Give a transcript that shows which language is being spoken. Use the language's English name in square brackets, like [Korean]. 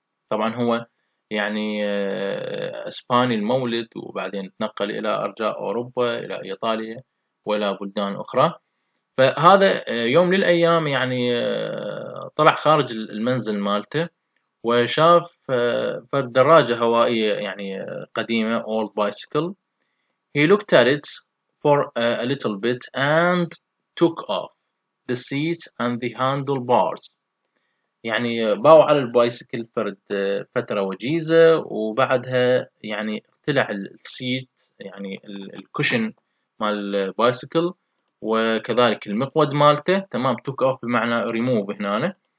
[Arabic] طبعا هو يعني إسباني المولد، وبعدين تنقل إلى أرجاء أوروبا، إلى إيطاليا ولا بلدان أخرى. فهذا يوم للأيام يعني طلع خارج المنزل مالته وشاف فرد دراجة هوائية يعني قديمة [English] old bicycle. He looked at it for for a little bit and took off the seat and the handlebars. [Arabic] يعني باو على البايسكل فرد فترة وجيزة وبعدها يعني طلع السيت يعني الكوشن مال البايسكل وكذلك المقود مالته تمام took off بمعنى remove هنا أنا.